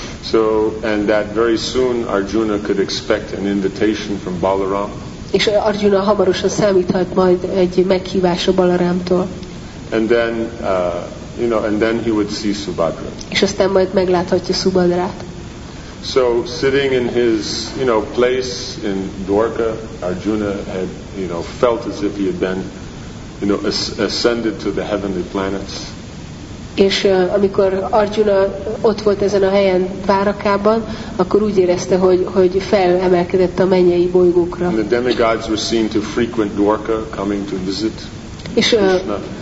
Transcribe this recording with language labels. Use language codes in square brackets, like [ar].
[en] So, and that very soon Arjuna could expect an invitation from Balaram. [hu] És Arjuna hamarosan számíthat majd egy meghívásra Balarámtól. [en] And then he would see Subhadra. [hu] És aztán majd megláthatja Subhadrát. [en] So, sitting in his, you know, place in Dwarka, Arjuna had, you know, felt as if he had been, you know, ascended to the heavenly planets. [hu] És amikor Arjuna ott volt ezen a helyen Dvárakában, akkor úgy érezte, hogy felemelkedett a mennyei bolygókra. [en] And the demigods were seen to frequent Dwarka, coming to visit Krishna.